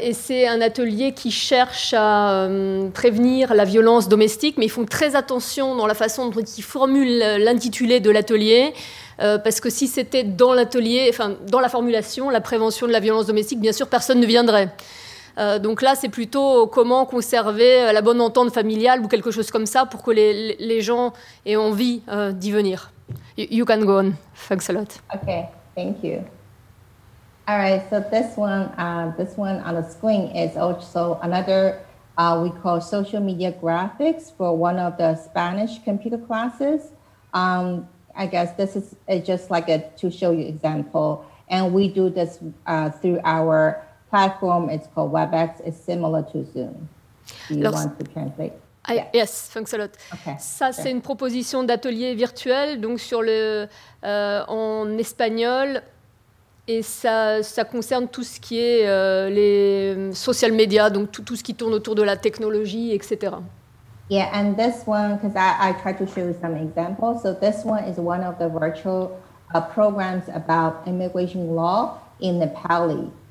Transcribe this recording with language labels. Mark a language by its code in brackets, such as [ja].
[fr] Et c'est un atelier qui cherche à prévenir la violence domestique, mais ils font très attention dans la façon dont ils formulent l'intitulé de l'atelier, parce que si c'était dans l'atelier, enfin dans la formulation, la prévention de la violence domestique, bien sûr, personne ne viendrait. Donc là, c'est plutôt comment conserver la bonne entente familiale ou quelque chose comme ça pour que les gens aient envie d'y venir. [en] You can go on. Thanks a lot. Okay, thank you. All right, so this one on the screen is also another, we call social media graphics for one of the Spanish computer classes. I guess this is just like a to show you example. And we do this through our platform. It's called WebEx. It's similar to Zoom. Do you want to translate? Yes, thanks a lot. [fr] Okay, ça, sure. C'est une proposition d'atelier virtuel, donc sur le en espagnol. Et ça concerne tout ce qui est les social media, donc tout ce qui tourne autour de la technologie, etc. [en] Yeah, and this one, because I tried to show you some examples. So this one is one of the virtual programs about immigration law in Nepali.